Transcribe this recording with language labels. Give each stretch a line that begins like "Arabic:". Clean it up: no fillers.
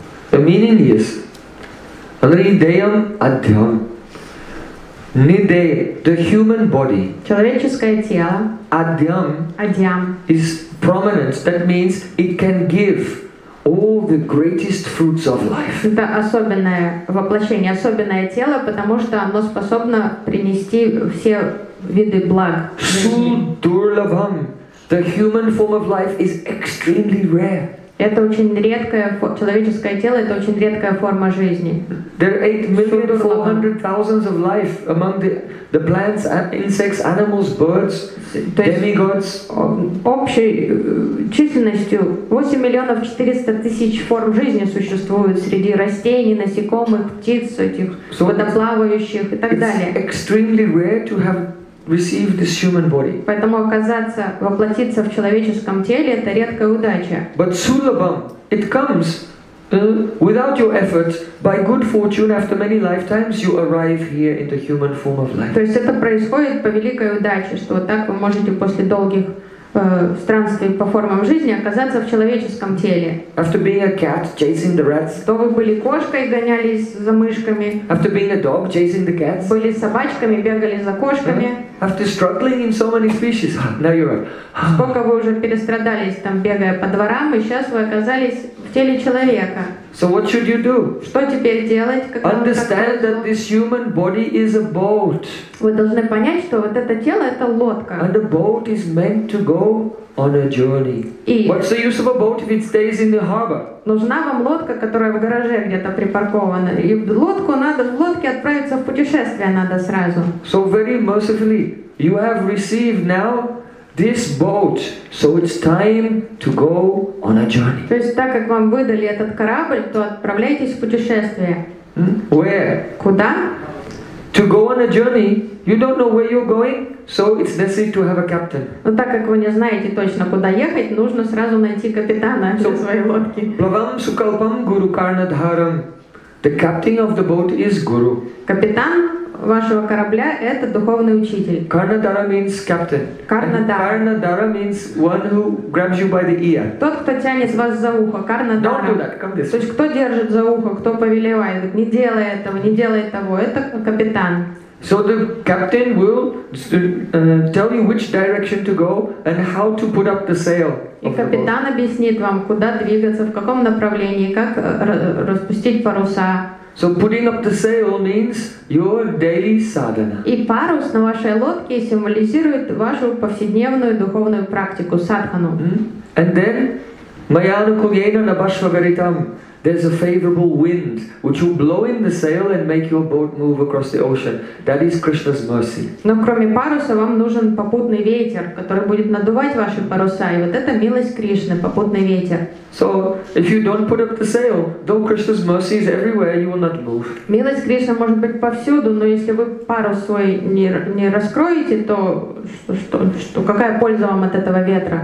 English: The meaning is
Sanskrit: Nideyam Adhyam Nide,
English: the human body.
Russian: Человеческое тело.
Sanskrit: Adhyam. Adhyam.
English: Is prominent. That means it can give all the greatest fruits of life.
Russian: Это особенное воплощение, особенное тело, потому что оно способно принести все виды благ.
English: Sudurlabham, the human form of life is extremely rare.
Russian: Это очень редкое человеческое тело, это очень редкая форма жизни.
English: There are 8,400,000 of life among the plants, insects, animals, birds, demigods.
Russian: Общей численностью 8,400,000 форм жизни существует среди растений, насекомых, птиц, этих водоплавающих и так далее.
English: It's extremely rare to have receive this human body.
Russian: Поэтому оказаться, воплотиться в человеческом теле это редкая удача.
English: But sulabham, it comes without your effort, by good fortune, after many lifetimes, you arrive here in the human form of life.
Russian: То есть это происходит по великой удаче, что вот так вы можете после долгих странствий по формам жизни оказаться в человеческом теле.
English: After being a cat chasing the rats.
Russian: То вы были кошкой, гонялись за мышками.
English: After being a dog chasing the cats.
Russian: Были собачками, бегали за кошками.
English: After struggling in so many species. Now you're right.
Russian: Сколько вы уже перестрадались там, бегая по дворам, и сейчас вы оказались в теле человека.
English: So what should you do?
Russian: Что теперь делать? Как
English: understand that this human body is a boat.
Russian: Вы должны понять, что вот это тело это лодка.
English: And a boat is meant to go on a journey.
Russian: И
English: what's the use of a boat if it stays in the harbor?
Russian: Нужна вам лодка, которая в гараже где-то припаркована. И лодку надо, в лодке отправиться в путешествие надо сразу.
English: So very mercifully, you have received now this boat, so it's time to go on a journey.
Russian: То есть так как вам выдали этот корабль, то отправляйтесь в путешествие.
English: Where?
Russian: Куда?
English: To go on a journey, you don't know where you're going, so it's necessary to have a captain.
Russian: Но так как вы не знаете точно куда ехать, нужно сразу найти капитана для своей лодки.
Sanskrit: Плавам сукалпам гуру карна дхарам.
English: The captain of the boat is guru.
Russian: Капитан вашего корабля это духовный учитель.
English: Карнадара means captain.
Sanskrit: Карнадара.
English: Карнадара means one who grabs you by the ear.
Russian: Тот, кто тянет вас за ухо. Карнадара.
English: Don't do that. Come this.
Russian: То есть кто держит за ухо, кто повелевает, не делай этого, не делай того, это капитан.
English: So the captain will tell you which direction to go and how to put up the sail.
Russian: И капитан объяснит вам, куда двигаться, в каком направлении, как распустить паруса.
English: So putting up the sail means your daily sadhana.
Russian: И парус на вашей лодке символизирует вашу повседневную духовную практику садхану.
English: And then
Sanskrit: mayanukuyena nabashvagaritam.
English: There's a favorable wind which will blow in the sail and make your boat move across the ocean. That is Krishna's mercy.
Russian: Но кроме паруса вам нужен попутный ветер, который будет надувать ваши паруса, и вот это милость Кришны, попутный ветер.
English: So if you don't put up the sail, though Krishna's mercy is everywhere, you will not move.
Russian: Милость Кришны может быть повсюду, но если вы парус свой не раскроете, то что какая польза вам от этого ветра?